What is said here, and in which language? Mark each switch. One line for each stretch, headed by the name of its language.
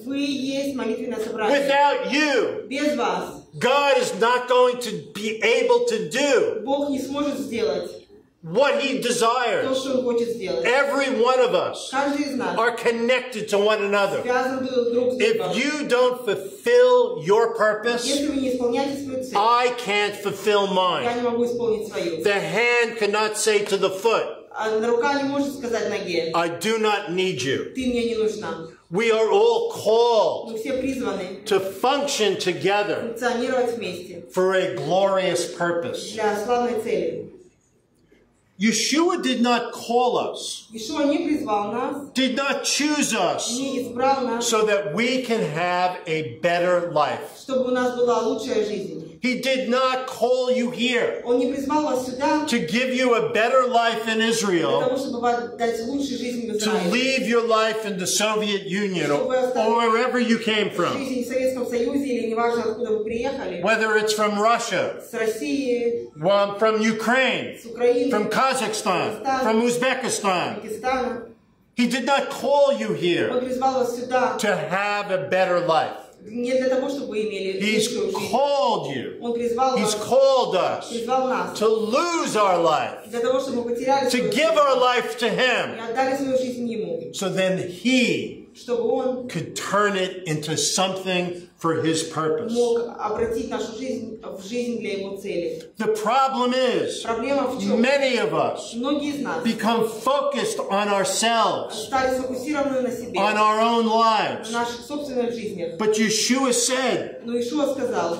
English: Without you, God is not going to be able to do what he desires. Every one of us are connected to one another. If you don't fulfill your purpose, I can't fulfill mine. The hand cannot say to the foot,
Russian: Рука не может сказать ноге.
English: I do not need you.
Russian: Ты мне не нужна.
English: We are all called.
Russian: Мы все призваны.
English: To function together.
Russian: Функционировать вместе.
English: For a glorious purpose.
Russian: Для славной цели.
English: Yeshua did not call us.
Russian: Yeshua не призвал нас.
English: Did not choose us.
Russian: Не избрал нас.
English: So that we can have a better life.
Russian: Чтобы у нас была лучшая жизнь.
English: He did not call you here.
Russian: Он не призвал вас сюда.
English: To give you a better life in Israel.
Russian: Для того, чтобы вам дать лучшую жизнь в Израиле.
English: To leave your life in the Soviet Union or wherever you came from.
Russian: Жизнь в Советском Союзе или неважно откуда вы приехали.
English: Whether it's from Russia.
Russian: С России.
English: Well, from Ukraine.
Russian: С Украины.
English: From Kazakhstan. From Uzbekistan.
Russian: Пакистана.
English: He did not call you here.
Russian: Он призвал вас сюда.
English: To have a better life.
Russian: Не для того, чтобы вы имели лучшую жизнь.
English: He's called you.
Russian: Он призвал
English: He's He's called us.
Russian: Призвал нас.
English: To lose our life.
Russian: Для того, чтобы мы потеряли свою жизнь.
English: To give our life to Him.
Russian: И отдали свою жизнь Ему.
English: So then He.
Russian: Чтобы Он.
English: Could turn it into something for His purpose.
Russian: Мог обратить нашу жизнь в жизнь для Его цели.
English: The problem is.
Russian: Проблема в чем?
English: Many of us.
Russian: Многие из нас.
English: Become focused on ourselves.
Russian: Стали сфокусированы на себе.
English: On our own lives.
Russian: В наших собственных жизнях.
English: But Yeshua said.
Russian: Но Иисус сказал.